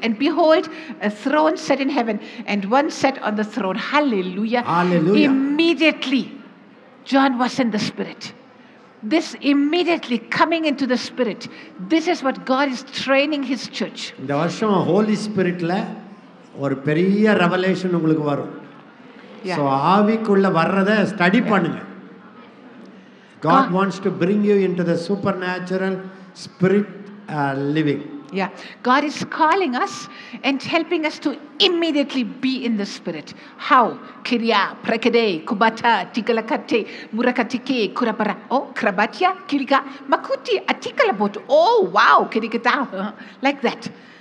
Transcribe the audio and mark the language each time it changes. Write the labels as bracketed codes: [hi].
[en] And behold, a throne set in heaven and one sat on the throne. Hallelujah. Hallelujah. Immediately. John was in the spirit. This immediately coming into the spirit. This is what God is training His church. [ta] இந்த வருஷம் ஹோலி ஸ்பிரிட்ல ஒரு பெரிய revelation உங்களுக்கு வரும் so ஆவிக்குள்ள வர்றதை study பண்ணுங்க [en] God wants to bring you into the supernatural spirit living. Yeah. God is calling us and helping us to immediately be in the spirit. How? Kriya, prakade, kubata, tikalakate, murakatike, kurapara, oh, krabatya, kirika, makuti, atikalabot, oh, wow, kirikata, like that.